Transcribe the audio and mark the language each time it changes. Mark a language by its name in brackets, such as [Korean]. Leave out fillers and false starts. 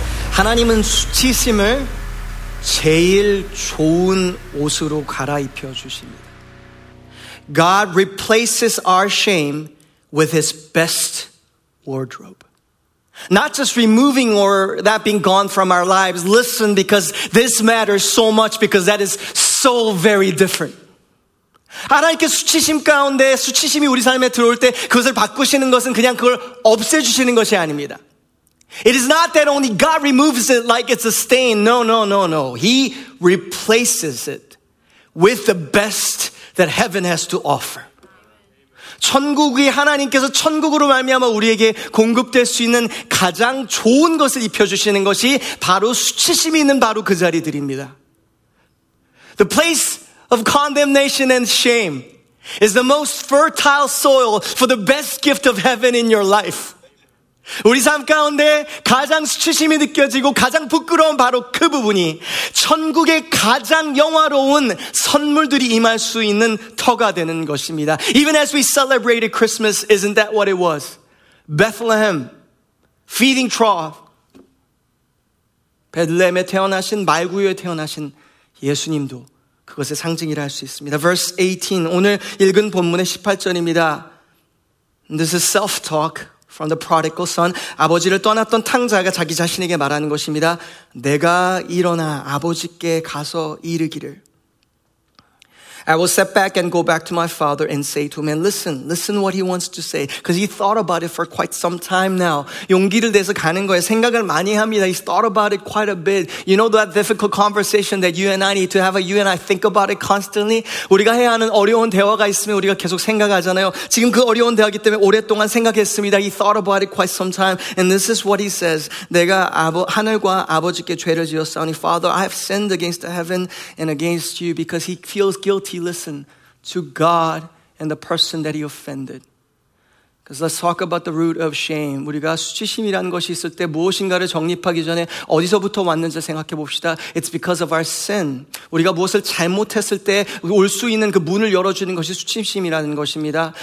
[Korean] 하나님은 수치심을 제일 좋은 옷으로 갈아입혀 주십니다. [English] God replaces our shame with his best wardrobe. Not just removing or that being gone from our lives. Listen, because this matters so much because that is so very different. [Korean] 하나님께 수치심 가운데 수치심이 우리 삶에 들어올 때 그것을 바꾸시는 것은 그냥 그걸 없애주시는 것이 아닙니다. [English] It is not that only God removes it like it's a stain. No, no, no, no. He replaces it with the best that heaven has to offer. [Korean] 천국이 하나님께서 천국으로 말미암아 우리에게 공급될 수 있는 가장 좋은 것을 입혀주시는 것이 바로 수치심이 있는 바로 그 자리들입니다. [English] The place of condemnation and shame is the most fertile soil for the best gift of heaven in your life. [Korean] 우리 삶 가운데 가장 수치심이 느껴지고 가장 부끄러운 바로 그 부분이 천국의 가장 영화로운 선물들이 임할 수 있는 터가 되는 것입니다. [English] Even as we celebrated Christmas, isn't that what it was? Bethlehem, feeding trough. [Korean] 베들레헴에 태어나신 말구유에 태어나신 예수님도 그것의 상징이라 할 수 있습니다. [English] Verse 18, [Korean] 오늘 읽은 본문의 18절입니다. [English] This is self-talk. From the prodigal son, [Korean] 아버지를 떠났던 탕자가 자기 자신에게 말하는 것입니다. 내가 일어나 아버지께 가서 이르기를. [English] I will set back and go back to my father and say to him, and listen, listen what he wants to say. Because he thought about it for quite some time now. [Korean] 용기를 내서 가는 거예요. 생각을 많이 합니다. [English] He's thought about it quite a bit. You know that difficult conversation that you and I need to have, you and I think about it constantly? [Korean] 우리가 해야 하는 어려운 대화가 있으면 우리가 계속 생각하잖아요. 지금 그 어려운 대화이기 때문에 오랫동안 생각했습니다. [English] He thought about it quite some time. And this is what he says. [Korean] 내가 하늘과 아버지께 죄를 지었사오니, [English] Father, I have sinned against the heaven and against you, because he feels guilty. He listened to God and the person that he offended. Because let's talk about the root of shame. [Korean] 우리가 수치심이라는 것이 있을 때 무엇인가를 정립하기 전에 어디서부터 왔는지 생각해 봅시다. [English] It's because of our sin. [Korean] 우리가 무엇을 잘못했을 때 올 수 있는 그 문을 열어주는 것이 수치심이라는 것입니다.